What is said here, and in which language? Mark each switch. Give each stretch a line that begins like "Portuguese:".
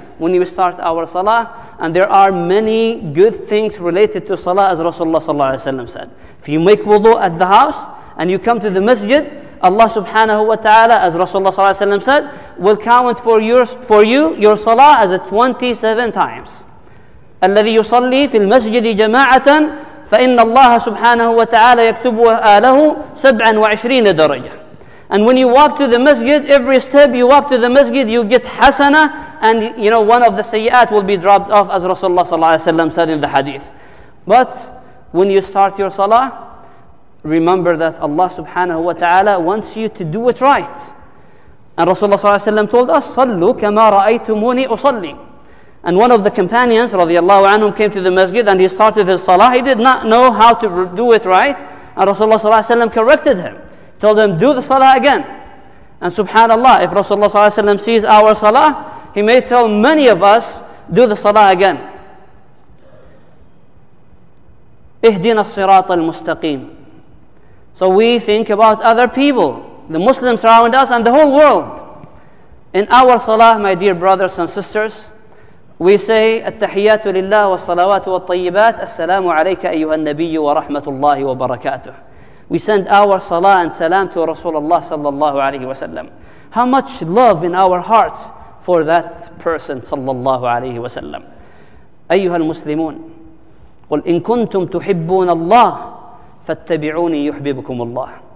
English: when we start our salah, and there are many good things related to salah, as Rasulullah sallallahu alaihi wasallam said. If you make wudu at the house and you come to the masjid, Allah subhanahu wa ta'ala, as Rasulullah sallallahu alaihi wasallam said, will count for your salah as a 27 times.
Arabic: الذي يصلي في المسجد جماعة فإن الله سبحانه وتعالى يكتب آله 27 درجة.
English: And when you walk to the masjid, every step you walk to the masjid, you get hasana, and you know one of the sayyat will be dropped off, as Rasulullah sallallahu alaihi wasallam said in the hadith. But when you start your salah, remember that Allah subhanahu wa ta'ala wants you to do it right. And Rasulullah sallallahu alaihi wasallam told us,
Arabic: صَلُّوا كَمَا رَأَيْتُمُونِي أُصَلِّي.
English: And one of the companions, radiallahu anhum, came to the masjid and he started his salah. He did not know how to do it right. And Rasulullah sallallahu alaihi wasallam corrected him, told him, do the salah again. And subhanallah, if Rasulullah sallallahu alaihi wasallam sees our salah, he may tell many of us, do the salah again.
Arabic: اهدنا الصراط المستقيم.
English: So we think about other people, the Muslims around us and the whole world. In our salah, my dear brothers and sisters, we say
Arabic: التحيات لله والصلوات والطيبات السلام عليك أيها النبي ورحمة الله وبركاته.
English: We send our salah and salam to Rasulullah sallallahu alayhi wasallam. How much love in our hearts for that person sallallahu alayhi wasallam.
Arabic: أيها المسلمون قل إن كنتم تحبون الله فاتبعوني يحببكم الله.